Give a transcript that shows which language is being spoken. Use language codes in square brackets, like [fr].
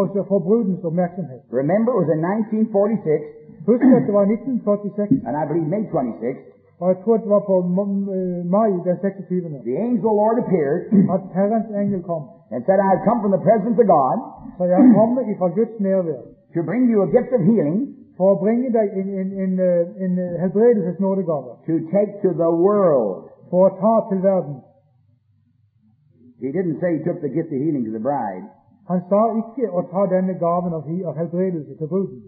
[no] For brudens oppmerksomhet. [en] Remember, it was in 1946. [no] Husk at det var 1946. [en] And I believe May 26th. [no] Og jeg tror det var på mai den 26. [en] The angel of the Lord appeared. [no] At Herrens engel kom. [en] And said, I have come from the presence of God. [no] Så jeg kommer ifra Guds nærvær. [en] To bring you a gift of healing. [no] For å bringe deg in helbredelses nådegave. [en] To take to the world. [no] For å ta til verden. [en] He didn't say he took the gift of healing to the bride. [no] Han sa ikke å ta denne gaven av helbredelse til bruden.